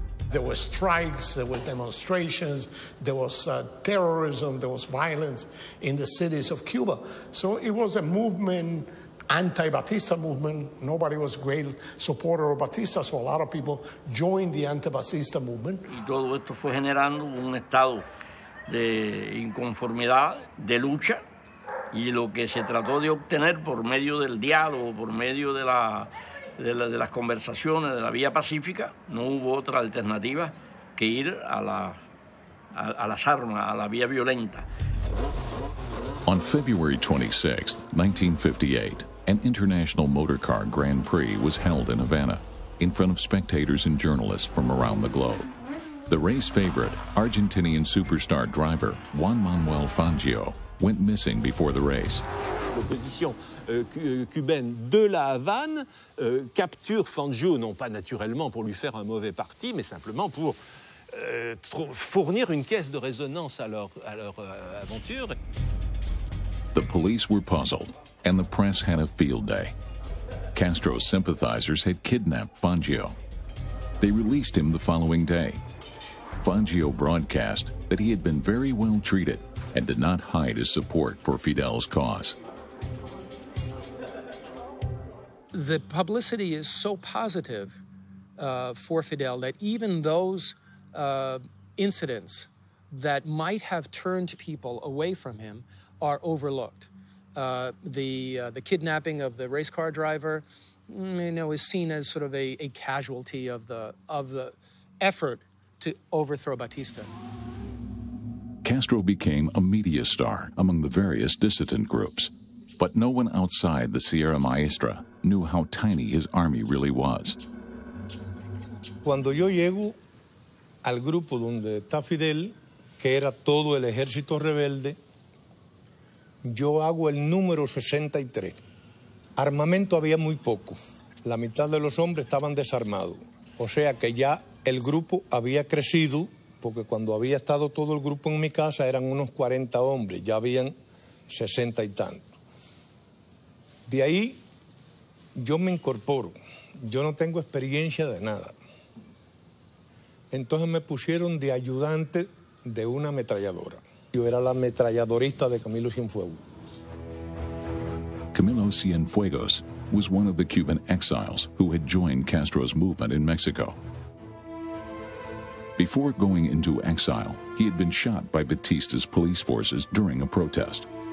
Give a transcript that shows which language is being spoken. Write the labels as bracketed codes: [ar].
[en] There were strikes, there were demonstrations, there was terrorism, there was violence in the cities of Cuba. So it was a movement, anti-Batista movement. Nobody was a great supporter of Batista, so a lot of people joined the anti-Batista movement. [es] Y todo esto fue generando un estado de inconformidad, de lucha. Y lo que se trató de obtener por medio del diálogo, por medio de las conversaciones, de la vía pacífica, no hubo otra alternativa que ir a las armas, a la vía violenta. [en] On February 26, 1958, an International Motor Car Grand Prix was held in Havana, in front of spectators and journalists from around the globe. The race favorite, Argentinian superstar driver Juan Manuel Fangio, went missing before the race. [fr] L'opposition cubaine de la Havane capture Fangio, non pas naturellement pour lui faire un mauvais parti, mais simplement pour fournir une caisse de résonance à leur aventure. [en] The police were puzzled, and the press had a field day. Castro's sympathizers had kidnapped Fangio. They released him the following day. Fangio broadcast that he had been very well treated and did not hide his support for Fidel's cause. The publicity is so positive for Fidel that even those incidents that might have turned people away from him are overlooked. The kidnapping of the race car driver, you know, is seen as sort of a casualty of the effort to overthrow Batista. Castro became a media star among the various dissident groups, but no one outside the Sierra Maestra knew how tiny his army really was. [es] Cuando yo llego al grupo donde está Fidel, que era todo el ejército rebelde, yo hago el número 63. Armamento había muy poco. La mitad de los hombres estaban desarmados. O sea que ya el grupo había crecido. Porque cuando había estado todo el grupo en mi casa eran unos 40 hombres, ya habían 60 y tanto. De ahí yo me incorporo yo no tengo experiencia de nada. Entonces me pusieron de ayudante de una ametralladora. Yo era la ametralladorista de Camilo Cienfuegos. [en] Camilo Cienfuegos was one of the Cuban exiles who had joined Castro's movement in Mexico. Before going into exile, he had been shot by Batista's police forces during a protest.